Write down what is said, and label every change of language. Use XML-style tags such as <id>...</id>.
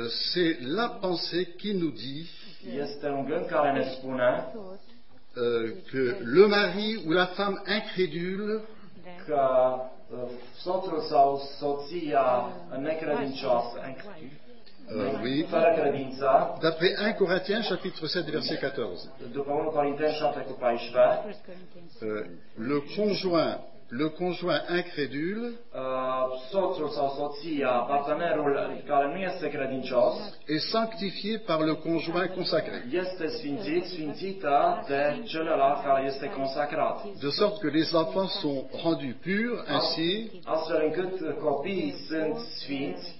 <fr>C'est la pensée qui nous dit.</fr> <ro>Este un gând care ne spune.</ro> <fr>Que le mari ou la femme incrédule.</fr> <ro>Că soțul sau soția necredincioasă.</ro> <fr>Oui.</fr> <ro>Fără credință.</ro> <fr>D'après 1 Corinthiens chapitre 7 verset 14.</fr> <ro>După 1 Corinthiens 7 cu 14.</ro> <fr>Le conjoint incrédule,</fr> <ro>soțul sau soția, partenerul care nu este credincios,</ro> <fr>est sanctifié par le conjoint consacré.</fr> <ro>Este sfințit, sfințită de celălalt care este consacrat.</ro> <fr>De sorte que les enfants sont rendus purs ainsi,</fr> <ro>astfel încât copiii sunt sfinți</ro>